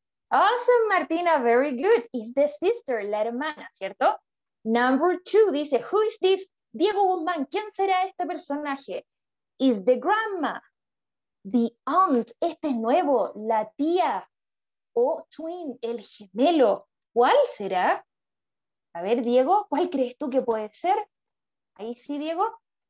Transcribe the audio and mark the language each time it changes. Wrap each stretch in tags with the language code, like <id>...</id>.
<en>Awesome, Martina, very good. It's the sister,</en> <es>la hermana, ¿cierto?</es> <en>Number two dice, who is this?</en> <es>Diego Guzmán, ¿quién será este personaje?</es> <en>It's the grandma. The aunt,</en> <es>este es nuevo, la tía. O twin, el gemelo. ¿Cuál será? A ver, Diego, ¿cuál crees tú que puede ser? Ahí sí, Diego.</es>